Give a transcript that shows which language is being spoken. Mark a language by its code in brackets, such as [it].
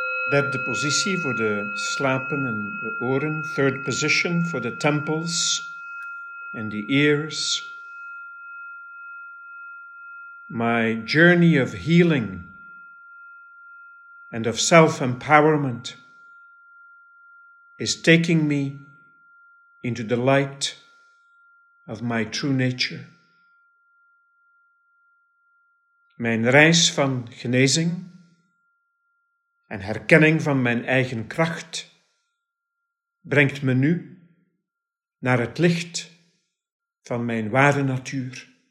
[nl] Derde positie voor de slapen en de oren. [en] Third position for the temples and the ears. My journey of healing and of self-empowerment is taking me into the light of my true nature. [nl] Mijn reis van genezing en herkenning van mijn eigen kracht brengt me nu naar het licht van mijn ware natuur.